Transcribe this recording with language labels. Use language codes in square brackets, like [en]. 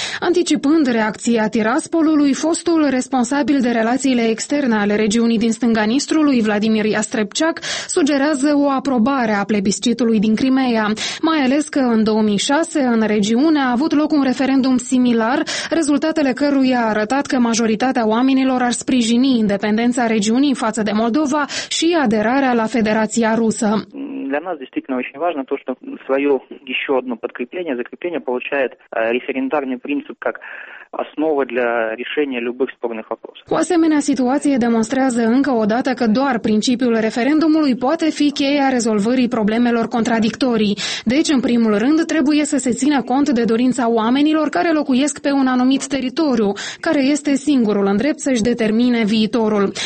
[ro] Anticipând reacția Tiraspolului, fostul responsabil de relațiile externe ale regiunii din stânga Nistrului, Vladimir Iastrebceac, sugerează o aprobare a plebiscitului din Crimeea. Mai ales că în 2006, în regiune, a avut loc un referendum similar, rezultatele căruia a arătat că majoritatea oamenilor ar sprijini independența regiunii față de Moldova și aderarea la Federația Rusă. [ru] Для нас действительно очень важно то, что своё ещё одно подкрепление, закрепление получает референдарный принцип как основа для решения любых спорных вопросов. [ro] Cu asemenea, situație demonstrează încă o dată că doar principiul referendumului poate fi cheia rezolvării problemelor contradictorii. Deci, în primul rând, trebuie să se țină cont de dorința oamenilor care locuiesc pe un anumit teritoriu, care este singurul îndrept să-și determine viitorul.